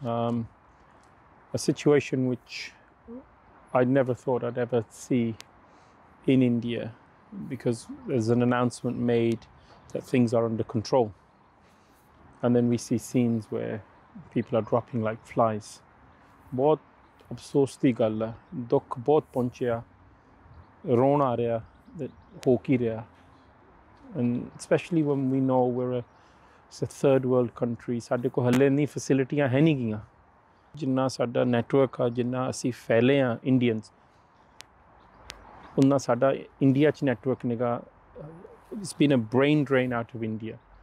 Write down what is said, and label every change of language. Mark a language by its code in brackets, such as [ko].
[en] A situation which I never thought I'd ever see in India, because there's an announcement made that things are under control, and then we see scenes where people are dropping like flies. [pa] ਬਹੁਤ ਅਫਸੋਸ ਦੀ ਗੱਲ ਹੈ, ਦੁੱਖ ਬਹੁਤ ਪਹੁੰਚਿਆ, ਰੋਣ ਆ ਰਿਹਾ, ਹੋ ਕੀ ਰਿਹਾ. [en] and specially when we know where it's a third world country, [pa] ਸਾਡੇ ਕੋਲ ਹਾਲੇ ਇੰਨੀ ਫੈਸਿਲਿਟੀਆਂ ਹੈ ਨਹੀਂ ਗੀਆਂ. ਜਿੰਨਾ ਸਾਡਾ ਨੈਟਵਰਕ ਆ, ਜਿੰਨਾ ਅਸੀਂ ਫੈਲੇ ਹਾਂ ਇੰਡੀਅਨਸ, ਉਨਾ ਸਾਡਾ ਇੰਡੀਆ 'ਚ network ਨੇਗਾ. [en] It's been a brain drain out of India.